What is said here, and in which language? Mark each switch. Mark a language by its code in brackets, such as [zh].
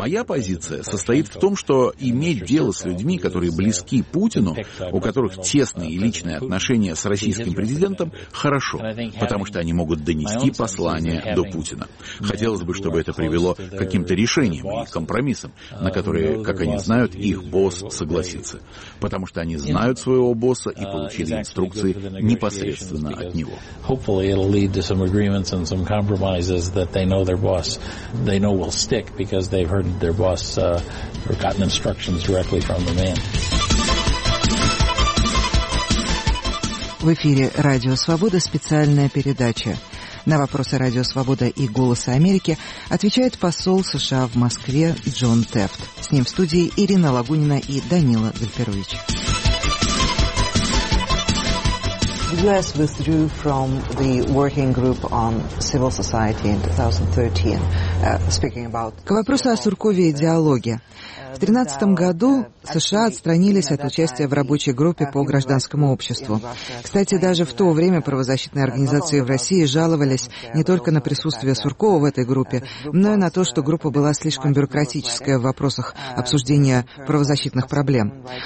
[ru] Моя позиция состоит в том, что иметь дело с людьми, которые близки Путину, у которых тесные и личные отношения с российским президентом, хорошо, потому что они могут донести послание до Путина. Хотелось бы, чтобы это привело к каким-то решениям и компромиссам, на которые, как они знают, их босс согласится, потому что они знают своего босса и получили инструкции непосредственно от него. [en] Hopefully it'll lead to some agreement. agreements and some compromises that they know their boss, they know will stick because they've heard their boss or gotten instructions directly from the man. [ru] В эфире «Радио Свобода» специальная передача. На вопросы «Радио Свобода» и «Голоса Америки» отвечает посол США в Москве Джон Тефт. С ним в студии Ирина Лагунина и Данила Гальперович. [en] U.S. withdrew from the working group on civil society in 2013, speaking about... [ru] К вопросу о Суркове и диалоге. В 2013 году США отстранились от участия в рабочей группе по гражданскому обществу. Кстати, даже в то время правозащитные организации в России жаловались не только на присутствие Суркова в этой группе, но и на то, что группа была слишком бюрократическая в вопросах обсуждения правозащитных проблем.